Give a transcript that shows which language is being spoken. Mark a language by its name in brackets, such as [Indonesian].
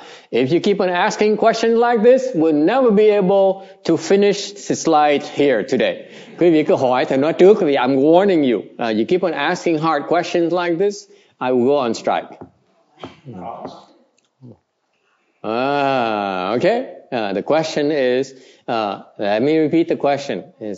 [English] If you keep on asking questions like this, we'll never be able to finish the slide here today. [Vietnamese] Quý vị cứ hỏi thầy nói trước, vì [English] I'm warning you. You keep on asking hard questions like this, I will go on strike. Okay. The question is, let me repeat the question.